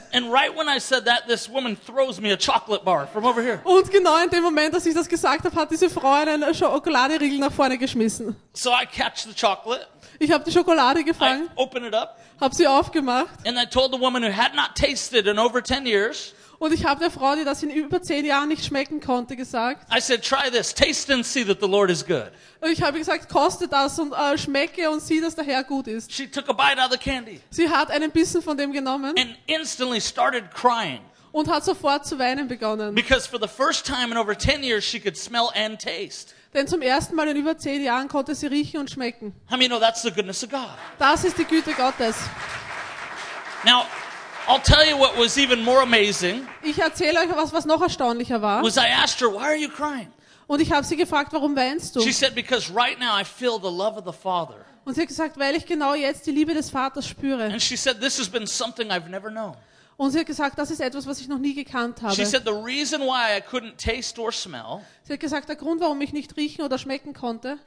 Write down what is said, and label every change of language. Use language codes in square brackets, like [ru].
[en] And right when I said that, this woman throws me a chocolate bar from over here. [de] Und genau in dem Moment, dass ich das gesagt habe, hat diese Frau einen Schokoladeriegel nach vorne geschmissen. [en] So I catch the chocolate. [de] Ich habe die Schokolade gefangen. [en] I open it up. [de] Habe sie aufgemacht. [en] And I told the woman who had not tasted in over 10 years. [de] Und ich habe der Frau, die das in über 10 Jahren nicht schmecken konnte, gesagt. [en] I said, try this. Taste and see that the Lord is good. [de] Und ich habe gesagt, koste das und schmecke und sieh, dass der Herr gut ist. [en] She took a bite out of the candy. [de] Sie hat einen Bissen von dem genommen. [en] And instantly started crying. [de] Und hat sofort zu weinen begonnen. [en] Because for the first time in over 10 years she could smell and taste. [de] Denn zum ersten Mal in über 10 Jahren konnte sie riechen und schmecken. [en] I mean, no, that's the goodness of God. [de] Das ist die Güte Gottes. [en] Now, I'll tell you what was even more amazing. [de] Ich erzähle euch was noch erstaunlicher war. [en] Was I asked her, why are you crying? [de] Und ich habe sie gefragt, warum weinst du? [en] She said, because right now I feel the love of the Father. [de] Und sie hat gesagt, weil ich genau jetzt die Liebe des Vaters spüre. [en] And she said, this has been something I've never known. [de] Und sie hat gesagt, das ist etwas, was ich noch nie gekannt habe. [en] She said, the reason why I couldn't taste or smell. [de] Sie hat gesagt, der Grund, warum ich nicht riechen oder schmecken konnte,